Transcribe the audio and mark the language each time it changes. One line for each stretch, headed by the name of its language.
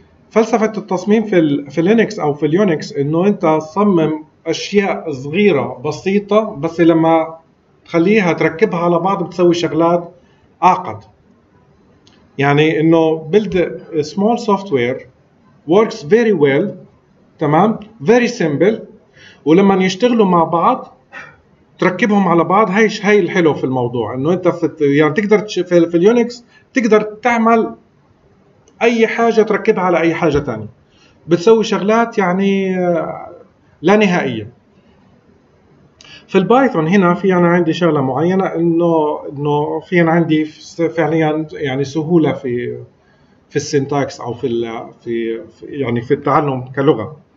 Arabic: فلسفة التصميم في اللينكس او في اليونكس انه انت تصمم اشياء صغيرة بسيطة، بس لما تخليها تركبها على بعض بتسوي شغلات اعقد. يعني انه
English: build a small software works very well،
Arabic: تمام،
English: very simple،
Arabic: ولما يشتغلوا مع بعض تركبهم على بعض. هاي الحلو في الموضوع انه انت يعني تقدر في اليونكس تقدر تعمل اي حاجة تركبها على اي حاجة تانية، بتسوي شغلات يعني لا نهائية. في البايثون هنا في انا عندي شغلة معينة انه في انا عندي فعليا يعني سهولة في السينتاكس او في يعني في التعلم كلغة.